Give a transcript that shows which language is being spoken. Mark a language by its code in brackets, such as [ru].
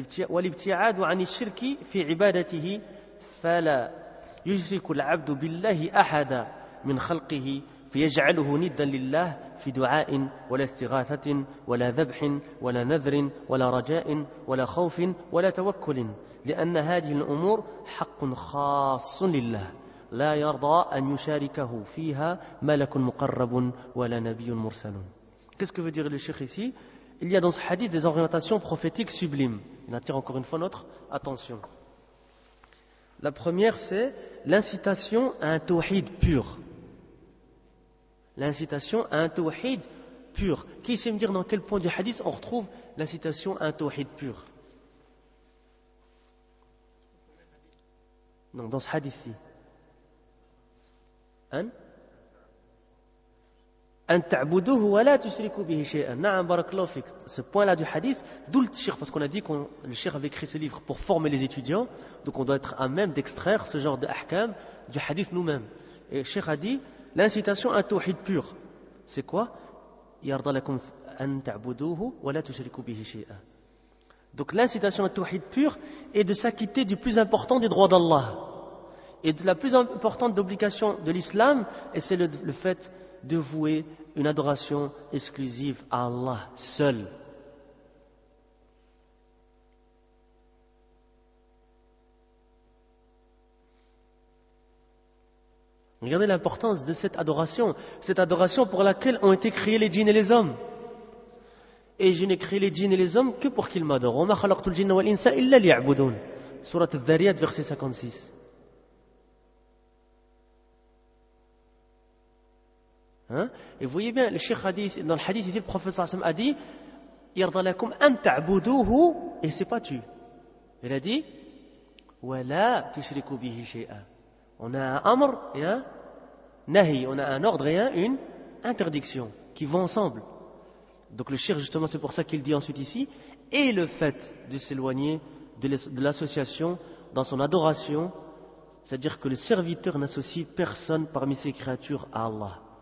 [ar] والابتعاد عن الشرك في عبادته فلا يشرك العبد بالله أحدا من خلقه فيجعله ندا لله في دعاء ولا استغاثة ولا ذبح ولا نذر ولا رجاء ولا خوف ولا توكل لأن هذه الأمور حق خاص لله لا يرضى أن يشاركه فيها ملك مقرب ولا نبي مرسل. [fr] Qu'est-ce que veut dire le cheikh ici? Il y a dans ce hadith des orientations prophétiques sublimes. Il attire encore une fois notre attention. La première, c'est l'incitation à un tawhid pur. L'incitation à un tawhid pur. Qui sait me dire dans quel point du hadith on retrouve l'incitation à un tawhid pur? Non, dans ce hadith-ci. Hein? [ar] أن تعبدوه ولا تشركوا به شيئا. نعم بارك الله فيك. [fr] Ce point-là du hadith, d'où le shir, parce qu'on a dit que le shir avait écrit ce livre pour former les étudiants, donc on doit être à même d'extraire ce genre d'ahkam du hadith nous-mêmes. Et le shir a dit, l'incitation à un tawhid pur, c'est quoi? [ar] يرضى لكم أن تعبدوه ولا تشركوا به شيئا. [fr] Donc l'incitation à un tawhid pur est de s'acquitter du plus important des droits d'Allah. Et de la plus importante obligation de l'islam, et c'est le fait de vouer une adoration exclusive à Allah seul. Regardez l'importance de cette adoration. Cette adoration pour laquelle ont été créés les djinns et les hommes. Et je n'ai créé les djinns et les hommes que pour qu'ils m'adorent. [ar] وَمَا خَلَقْتُ الْجِنَّ وَالْإِنْسَ إِلَّا لِيَعْبُدُونَ [fr] Surat al-Dhariyat, verset 56. Hein? Et vous voyez bien, le Cheikh a dit, dans le hadith ici, le prophète Sassam a dit [ar] يَرْضَ لَكُمْ أَن تَعْبُدُوهُ [fr] Et c'est pas tu. Il a dit [ar] وَلَا تُشْرِكُوا بِهِ شَيْئًا. [fr] On a un amr et un nahi. On a un ordre et une interdiction qui vont ensemble. Donc le shirk, justement, c'est pour ça qu'il dit ensuite ici, et le fait de s'éloigner de l'association dans son adoration, c'est-à-dire que le serviteur n'associe personne parmi ses créatures à Allah.